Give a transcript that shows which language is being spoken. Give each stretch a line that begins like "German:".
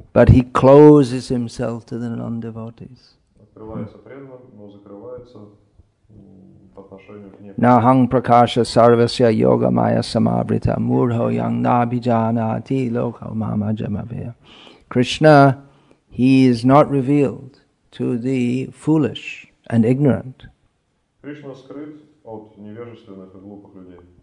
English: But he closes himself to the non-devotees.
Russian: Открывается преданным, но закрывается по отношению к ним.
Sanskrit: Нахам пракаша сарвасья йога майя самаврита мурхо янг набиджанати локо мама джамабхия.
English: Krishna, he is not revealed to the foolish and ignorant.
Russian: Krishna скрыт от невежественных и глупых людей.